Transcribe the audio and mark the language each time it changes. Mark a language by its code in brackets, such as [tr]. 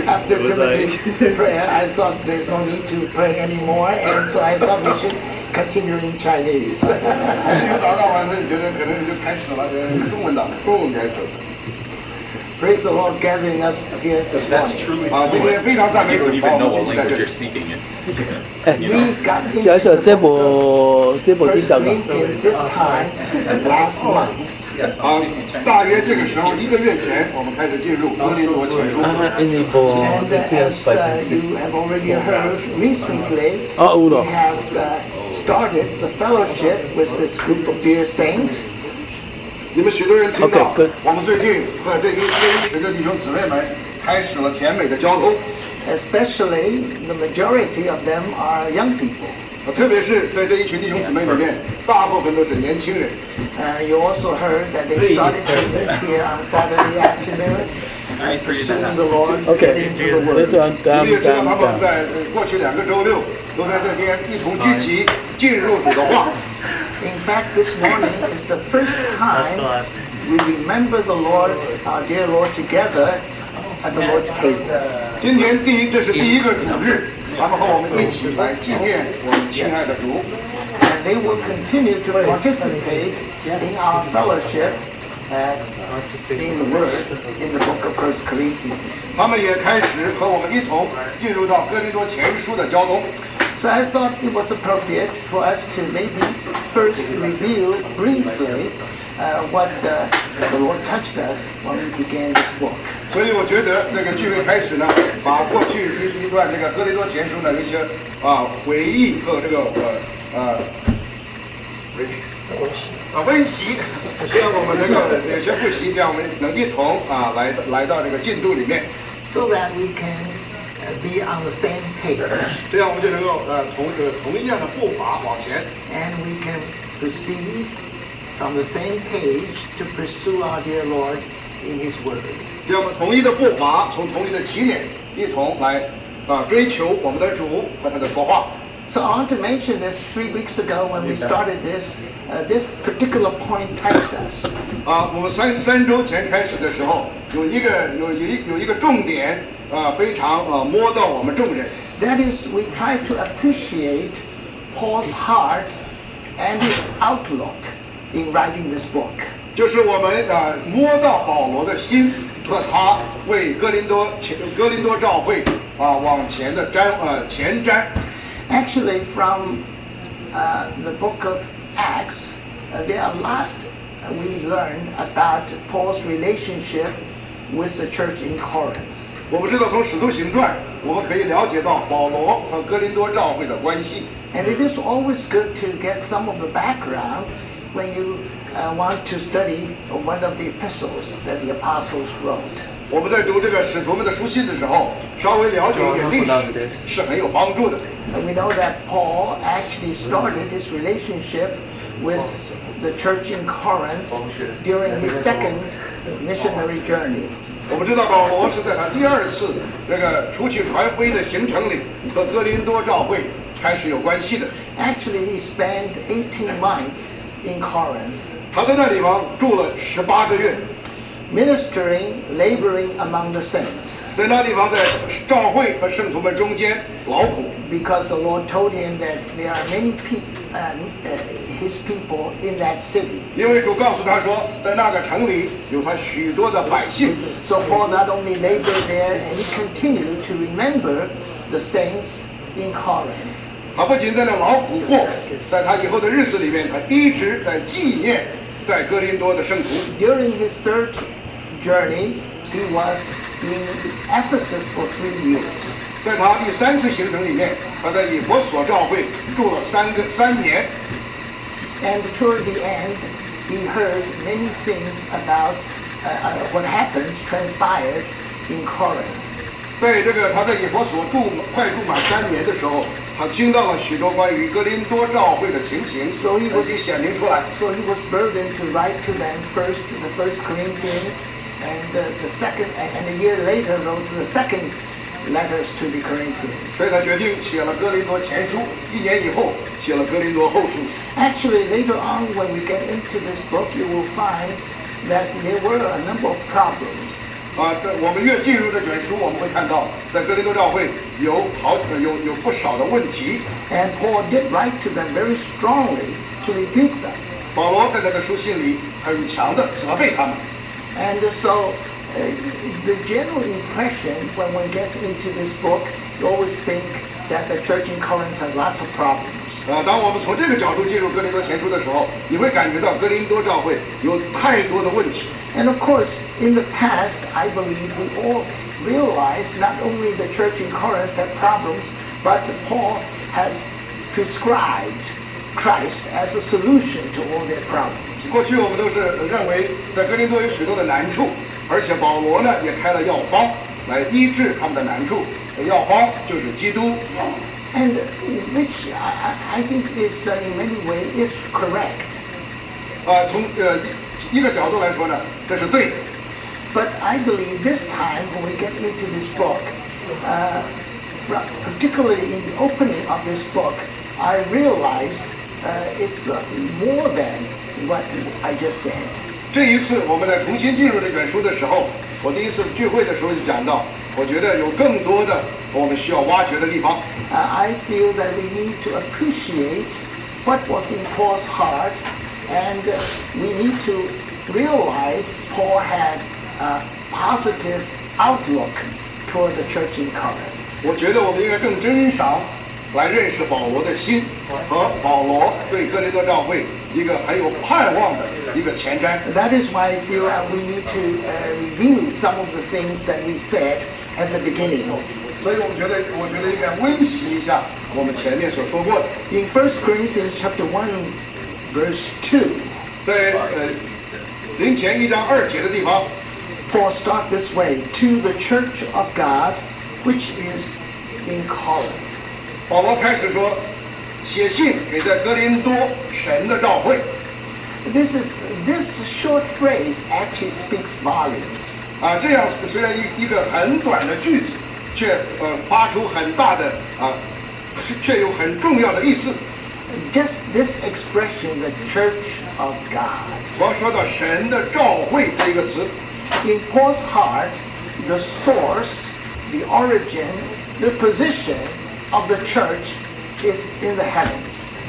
[en] After Timothy's prayer, I thought there's no need to pray anymore, and so I thought we should continue in Chinese. [zh] 今天早上完成，觉得可能就开始了，中文的，中文开始。 [en] Praise the Lord gathering us here this morning. That's truly true. You don't even know what language you're speaking in. We got into the first meeting this time last month. Yes, I'm speaking Chinese. [zh] 大约这个时候一个月前我们开始进入多林多前书。 [en] And as you have already heard recently, we have started the fellowship with this group of dear saints. [zh] 你们许多人听到 okay, 我们最近和这一群神的弟兄姊妹们开始了甜美的交通 [en] especially the majority of them are young people [zh] 特别是在这一群弟兄姊妹里面 大部分都是年轻人 [en] you also heard that they started church here on Saturday afternoon soon the Lord okay, get into the word [zh] 你也知道他们在过去两个周六都在这边一同聚集进入主的话 [en] In fact, this morning is the first time we remember the Lord, our dear Lord, together at the Lord's table. [zh] 今天第一，这是第一个主日，咱们和我们一起来纪念我们亲爱的主。 [en] And they will continue to participate in our fellowship in the Word, in the Book of First Corinthians. [zh] 他们也开始和我们一同进入到哥林多前书的交通。 [en] So I thought it was appropriate for us to maybe first reveal briefly what the Lord touched us when we began this walk. [zh] 所以我觉得那个聚会开始呢，把过去一段这个哥林多前书的一些回忆和这个温习，这样我们能够有些复习，这样我们能一同来到这个进度里面。 [en] So that we can. Be on the same page. [zh] 这样我们就能够同样的步伐往前。 [en] And we can proceed from the same page to pursue our dear Lord in His word. [zh] 这样我们同一的步伐，从同一的起点，一同来追求我们的主和他的说话。 [en] So I want to mention this 3 weeks ago when we started this. This particular point touched us. [zh] 我们三周前开始的时候，有一个重点。非常摸到我们众人。 [en] That is, we try to appreciate Paul's heart and his outlook in writing this book. [zh] 就是我们摸到保罗的心和他为哥林多教会往前的前瞻。 [en] Actually, from the book of Acts, there are a lot we learn about Paul's relationship with the church in Corinth. [zh] 我们知道从使徒行传我们可以了解到保罗和哥林多教会的关系 [en] and it is always good to get some of the background when you want to study one of the epistles that the apostles wrote [zh] 我们在读这个使徒们的书信的时候稍微了解一点历史是很有帮助的 [en] and we know that Paul actually started his relationship with the church in Corinth during his second missionary journey [zh] 我们知道保罗是在他第二次这个出去传福音的行程里和哥林多教会开始有关系的 [en] Actually he spent 18 months in Corinth [zh] 他在那里边住了十八个月 [en] Ministering, laboring among the saints [zh] 在那地方在教会和圣徒们中间劳苦 [en] Because the Lord told him that there are many people, his people in that city [zh] 因为主告诉他说在那个城里有他许多的百姓 [en] So Paul not only labored there and he continued to remember the saints in Corinth [zh] 他不仅在那劳苦过在他以后的日子里面他一直在纪念在哥林多的圣徒 [en] During his third journey he was in Ephesus for 3 years [zh] 在他第三次行程里面他在以弗所教会住了三年 [en] And toward the end, he heard many things about what happened transpired in Corinth. [zh] 在这个他在以弗所住快住满三年的时候，他听到了许多关于哥林多召会的情形，所以已经显明出来。 [en] So he was burdened to write to them first the first Corinthians, and the second, and a year later wrote the second letters to the Corinthians. [zh] 所以他决定写了哥林多前书，一年以后写了哥林多后书。 [en] Actually, later on, when we get into this book, you will find that there were a number of problems. [zh] 我们越进入这卷书，我们会看到，在哥林多教会有好有不少的问题。 [en] And Paul did write to them very strongly to rebuke them. [zh] 保罗在他的书信里很强的责备他们。 [en] And so, the general impression when one gets into this book, you always think that the church in Corinth has lots of problems. [zh] 当我们从这个角度进入哥林多前书的时候，你会感觉到哥林多教会有太多的问题。 [en] And of course, in the past, I believe we all realized not only the church in Corinth had problems, but Paul had prescribed Christ as a solution to all their problems. [zh] 过去我们都是认为在哥林多有许多的难处，而且保罗呢也开了药方来医治他们的难处。药方就是基督。 [en] And which I think is in many ways is correct. [zh] 一个角度来说呢，这是对的。 [en] But I believe this time when we get into this book, particularly in the opening of this book, I realize it's more than what I just said. [zh] 这一次我们在重新进入这卷书的时候，我第一次聚会的时候就讲到，我觉得有更多的我们需要挖掘的地方。 [en] I feel that we need to appreciate what was in Paul's heart. And we need to realize Paul had a positive outlook toward the church in Corinth. [zh] 我觉得我们应该更珍赏来认识保罗的心和保罗对哥林多教会一个很有盼望的一个前瞻。 [en] That is why I feel that we need to review some of the things that we said at the beginning. [zh] 所以我觉得应该温习一下我们前面所说过的。 [en] In 1 Corinthians chapter 1,Verse 2. [zh] 在林前一章二节的地方 [en] Paul start this way, to the church of God, which is in Corinth. [zh] 保罗开始说，写信给在哥林多神的召会。 [en] This short phrase actually speaks volumes. [zh] 这样虽然一个很短的句子，却发出很大的却有很重要的意思。 [en] Just this expression, the Church of God. [zh] 我说到神的召会这个词。 [en] In Paul's heart, the source, the origin, the position of the church is in the heavens.